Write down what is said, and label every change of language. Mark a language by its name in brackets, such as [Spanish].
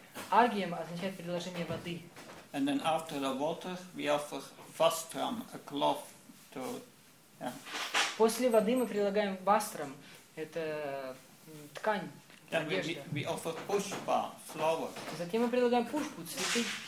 [Russian] Ахьям означает предложение воды. [English] And then after the water, we offer vastram, a cloth to... Yeah. [Russian] После воды мы предлагаем вастрам, это ткань, [English] then [Russian] одежда. [English] We offer pushpa, flower. [Russian] Затем мы предлагаем пушпу, цветы.